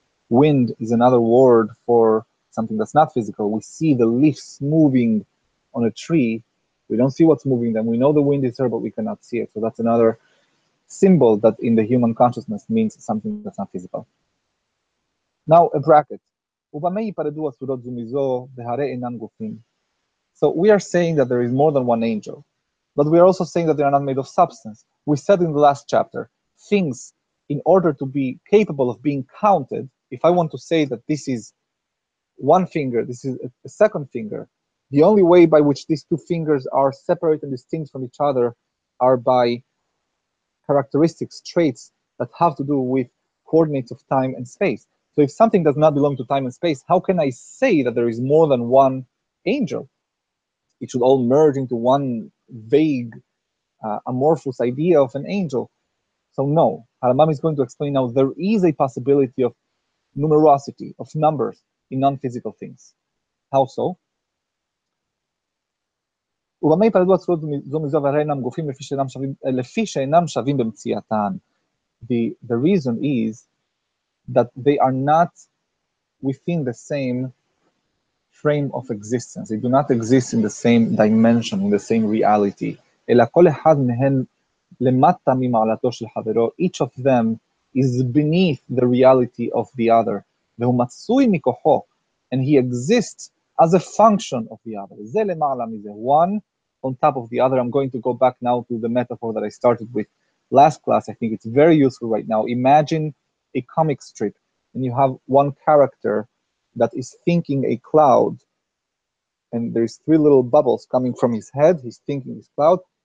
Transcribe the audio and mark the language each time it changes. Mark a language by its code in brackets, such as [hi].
[en] Wind is another word for something that's not physical. We see the leaves moving on a tree. We don't see what's moving them. We know the wind is there, but we cannot see it. So that's another symbol that in the human consciousness means something that's not physical. Now, a bracket. [he] ובמה יפרדו הסורות זו מזו, והרי אינן גופים. [en] So we are saying that there is more than one angel, but we are also saying that they are not made of substance. We said in the last chapter, things, in order to be capable of being counted, if I want to say that this is one finger, this is a second finger, the only way by which these two fingers are separate and distinct from each other are by characteristics, traits that have to do with coordinates of time and space. So if something does not belong to time and space, how can I say that there is more than one angel? It should all merge into one vague, amorphous idea of an angel. So no, Haramam is going to explain now, there is a possibility of numerosity, of numbers, in non-physical things. How so? [he] ובמה יפרדו הצורות זו מזו והרי אינם גופים לפי שאינם שווים, לפי שאינם שווים במציאתן. [en] The reason is that they are not within the same frame of existence. They do not exist in the same dimension, in the same reality. [he] אלא כל אחד מהן למטה ממעלתו של חברו. [en] Each of them is beneath the reality of the other. [he] והוא מצוי מכוחו, [en] and he exists as a function of the other. [he] זה למעלה מזה. [en] One on top of the other. I'm going to go back now to the metaphor that I started with last class. I think it's very useful right now. Imagine a comic strip, and you have one character that is thinking a cloud, and there's three little bubbles coming from his head. He's thinking this cloud.